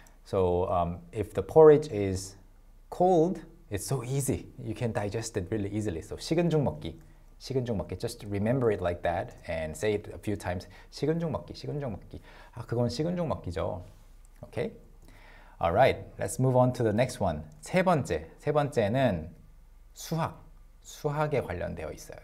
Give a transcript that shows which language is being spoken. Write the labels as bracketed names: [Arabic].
[English] So if the porridge is cold, it's so easy. You can digest it really easily. [Korean] So 식은 죽 먹기, 식은 죽 먹기. [English] Just remember it like that and say it a few times. [Korean] 식은 죽 먹기, 식은 죽 먹기. 아, 그건 식은 죽 먹기죠. Okay? [English] All right, let's move on to the next one. [Korean] 세 번째, 세 번째는 수학, 수학에 관련되어 있어요.